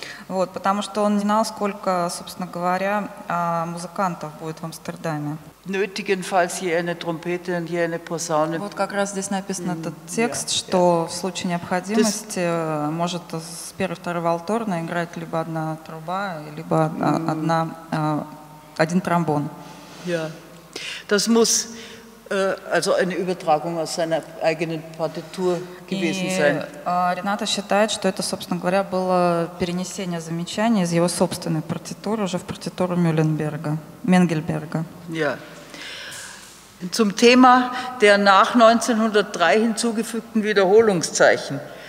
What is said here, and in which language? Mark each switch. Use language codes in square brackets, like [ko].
[ru] Вот, потому что он знал, сколько, собственно говоря, музыкантов будет в Амстердаме. [de] Nötigenfalls hier eine Trompete und hier eine Posaune. [ru] Вот как раз здесь написан этот текст, что в случае необходимости может с первой и второй валторной играть либо одна труба, либо один тромбон. [de] Ja. Das muss also eine Übertragung aus seiner eigenen Partitur gewesen sein. [ru] Renata считает, что это, собственно говоря, было перенесение замечаний из его собственной партитуры уже в партитуру Мюлленберга. [de] Ja. Zum Thema der nach 1903 hinzugefügten Wiederholungszeichen.